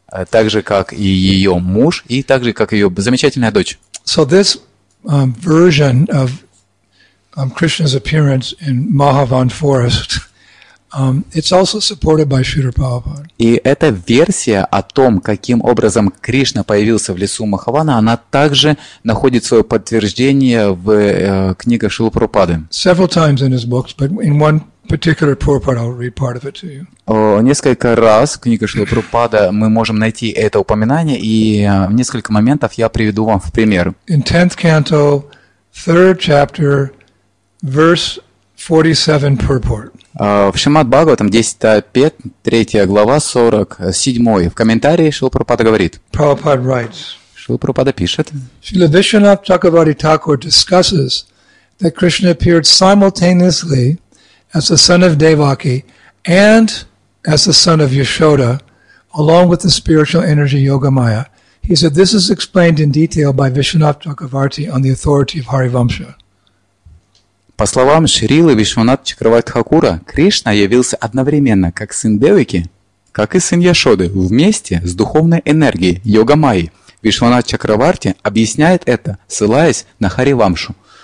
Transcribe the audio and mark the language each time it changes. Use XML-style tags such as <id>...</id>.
<ru>Так же, как и ее муж, и так же, как ее замечательная дочь.</ru> <en>So this version of Krishna's appearance in Mahavan Forest, it's also supported by Śrīla Prabhupāda.</en> <ru>И эта версия о том, каким образом Кришна появился в лесу Махавана, она также находит свое подтверждение в книгах Шрилы Прабхупады.</ru> <en>Several times in his books, but in one particular purport, I'll read part of it to you.</en> <ru>Несколько раз в книгах Шрилы Прабхупады мы можем найти это упоминание, и в несколько моментов я приведу вам в пример.</ru> <en>In 10th canto, 3rd chapter, verse 47 purport.</en> <ru>В Шримад-Бхагаватам 10.5.3 глава 47 в комментарии Шрила Прабхупада говорит.</ru> <en>Prabhupada writes.</en> <ru>Шрила Прабхупада пишет.</ru> <en>Śrīla Viśvanātha Chakravarti Thakur discusses that Krishna appeared simultaneously as the son of Devaki and as the son of Yashoda, along with the spiritual energy Yogamaya. He said this is explained in detail by Viśvanātha Chakravarti on the authority of Harivamsa.</en> <ru>По словам Шрилы Вишванатха Чакраварти Хакура, Кришна явился одновременно как сын Девики, как и сын Яшоды, вместе с духовной энергией Йогамайи. Вишванатха Чакраварти объясняет это, ссылаясь на Харивамшу.</ru>